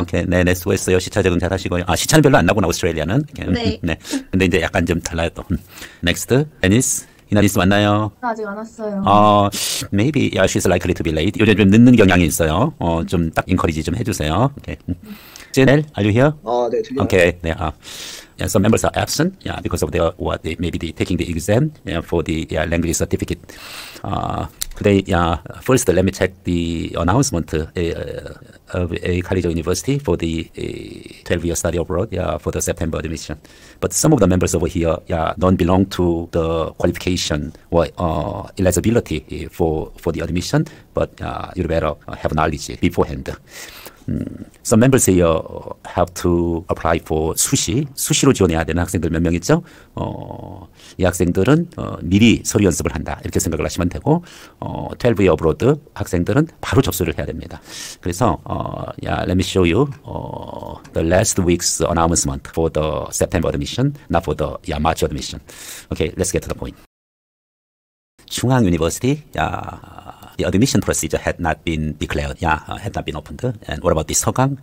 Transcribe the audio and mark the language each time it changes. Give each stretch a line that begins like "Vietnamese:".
Korean: 오케이. 네, 수고했어요. 시차 적응 잘 하시고요. 아, 시차는 별로 안 나고 나 오스트레일리아는. 네. 네. 근데 이제 약간 좀 달라요, 또. Next, 데니스. 이나니스 맞나요? 아직 안 왔어요.
English: Maybe, yeah, she's likely to be late.
Korean: 요즘 좀 늦는 경향이 있어요. 좀딱 인커리지 좀 해주세요.
English: 오케이. 제넬, are you here?
Korean: 아, 네, 들려요.
English: Okay, 네, yeah, some members are absent, yeah, because of their, what, they, maybe they taking the exam, yeah, for the, yeah, language certificate. Today, yeah, first, let me check the announcement of a college or university for the 12-year study abroad, yeah, for the September admission. But some of the members over here, yeah, don't belong to the qualification or eligibility for the admission, but you'd better have knowledge beforehand. Some members here have to apply for
Korean: 수시로 지원해야 되는 학생들 몇명 있죠? 이 학생들은 미리 서류 연습을 한다 이렇게 생각을 하시면 되고, 12 abroad 학생들은 바로 접수를 해야 됩니다. 그래서
English: let me show you the last week's announcement for the September admission, not for the March admission. Okay, let's get to the point. 중앙 유니버시티, the admission procedure had not been declared, had not been opened. And what about the 서강?